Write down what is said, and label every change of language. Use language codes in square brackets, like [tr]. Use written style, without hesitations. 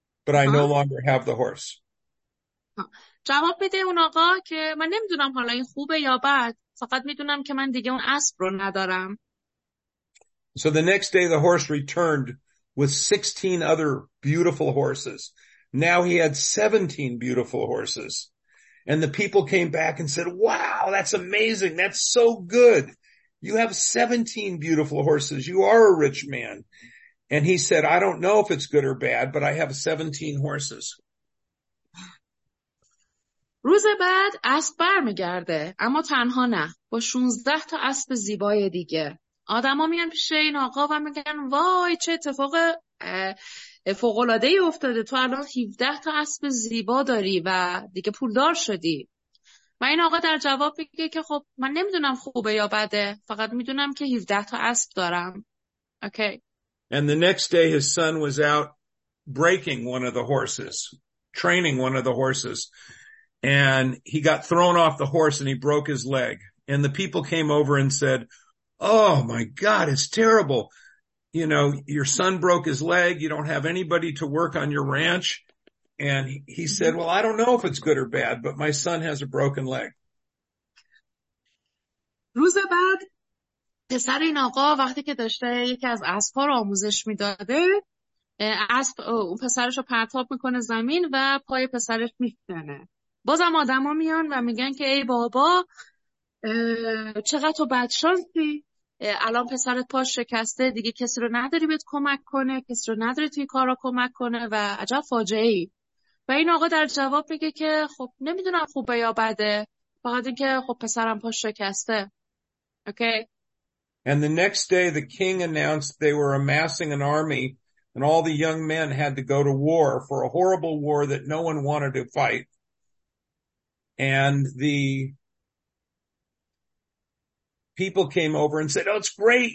[en] but I no longer have the horse. [fa] جواب بده اون آقا که من نمیدونم حالا این خوبه یا بد، فقط میدونم که من دیگه اون اسب رو ندارم. [en] So the next day the horse returned with 16 other beautiful horses. Now he had 17 beautiful horses. And the people came back and said, wow, that's amazing. That's so good. You have 17 beautiful horses. You are a rich man. And he said, I don't know if it's good or bad, but I have 17 horses. [fa] روز بعد اسب برمیگرده، اما تنها نه، با 16 تا اسب زیبای دیگه. آدما میان پیش این آقا و میگن وای چه اتفاق فوق‌العاده‌ای افتاده، تو الان 17 تا اسب زیبا داری و دیگه پولدار شدی. و این آقا در جواب میگه که خب من نمیدونم خوبه یا بده، فقط میدونم که 17 تا اسب دارم. [en] Okay. And the next day his son was out breaking one of the horses, training one of the horses. And he got thrown off the horse and he broke his leg. And the people came over and said, oh my God, it's terrible. You know, your son broke his leg. You don't have anybody to work on your ranch. And he said, well, I don't know if it's good or bad, but my son has a broken leg. [fa] روز بعد پسر این آقا وقتی که داشته یکی از اسبا رو آموزش میداده، اسب اون پسرش رو پرتاب میکنه زمین و پای پسرش میشکنه. بازم آدم ها میان و میگن که ای بابا چقدر تو بدشانسی، الان پسرت پا شکسته، دیگه کسی رو نداری بهت کمک کنه، کسی رو نداری توی کار رو کمک کنه و عجب فاجعه ای. و این آقا در جواب میگه که خب نمیدونم خوبه یا بده، فقط این که خب پسرم پا شکسته. [en] Okay. And the next day the king announced they were amassing an army and all the young men had to go to war for a horrible war that no one wanted to fight. And the people came over and said, oh, it's great.